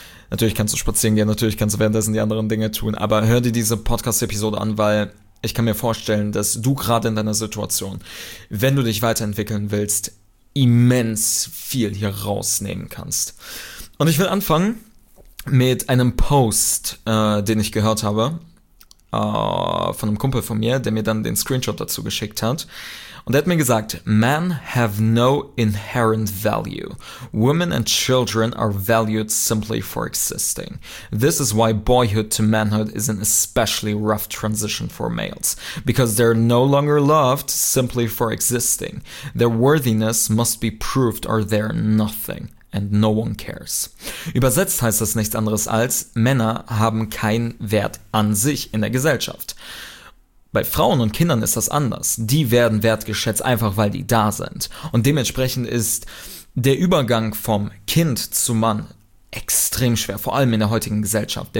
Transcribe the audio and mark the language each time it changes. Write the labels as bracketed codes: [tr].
[de] Natürlich kannst du spazieren gehen, natürlich kannst du währenddessen die anderen Dinge tun, aber hör dir diese Podcast-Episode an, weil ich kann mir vorstellen, dass du gerade in deiner Situation, wenn du dich weiterentwickeln willst, immens viel hier rausnehmen kannst. Und ich will anfangen mit einem Post, den ich gehört habe, von einem Kumpel von mir, der mir dann den Screenshot dazu geschickt hat. Und er hat mir gesagt, [en] "Men have no inherent value. Women and children are valued simply for existing. This is why boyhood to manhood is an especially rough transition for males. Because they're no longer loved simply for existing. Their worthiness must be proved or they're nothing. And no one cares." [de] Übersetzt heißt das nichts anderes als, Männer haben keinen Wert an sich in der Gesellschaft. Bei Frauen und Kindern ist das anders. Die werden wertgeschätzt, einfach weil die da sind. Und dementsprechend ist der Übergang vom Kind zum Mann extrem schwer, vor allem in der heutigen Gesellschaft.